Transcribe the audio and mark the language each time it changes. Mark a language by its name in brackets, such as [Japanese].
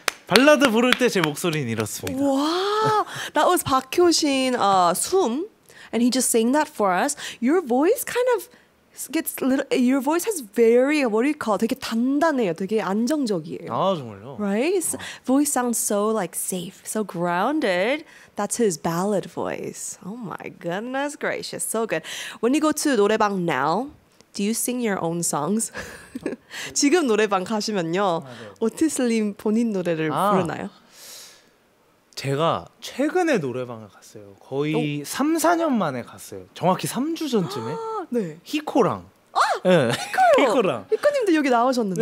[Korean] 발라드 부를 때 제 목소리는 이렇습니다. [English] Wow, that was 박효신 숨, and he just sang that for us. Your voice kind of gets little. Your voice has very what do you call? [Korean] 되게 단단해요. 되게 안정적이에요. 아 정말요? [English] Right, his voice sounds so like safe, so grounded. That's his ballad voice. Oh my goodness gracious, so good. When you go to 노래방 now, do you sing your own songs? [Korean] 지금 노래방 가시면요, 오티슬림 본인 노래를 부르나요? 제가 최근에 노래방을 갔어요. 거의 3-4년 만에 갔어요. 정확히 3주 전쯤에. 네. 히코랑. 아, 네. 히코. 히코랑. 히코님도 여기 나오셨는데.